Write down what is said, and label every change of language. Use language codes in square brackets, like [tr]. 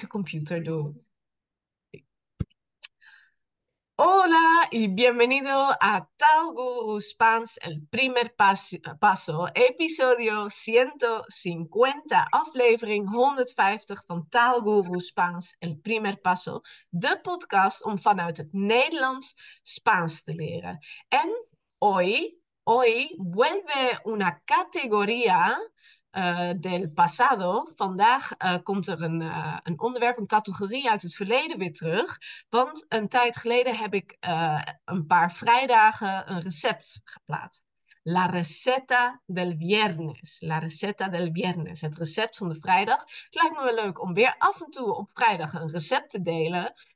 [nl] Computer, [es] hola y bienvenido a Talgo Spans, el primer paso, episodio 150, [nl] aflevering 150 van Talgo Spans, el primer paso, de podcast om vanuit het Nederlands Spaans te leren. [es] En hoy vuelve una categoría del pasado. [nl] Vandaag komt er een onderwerp, een categorie uit het verleden weer terug. Want een tijd geleden heb ik een paar vrijdagen een recept geplaatst. [es] La receta del viernes. La receta del viernes. [nl] Het recept van de vrijdag. Het lijkt me wel leuk om weer af en toe op vrijdag een recept te delen.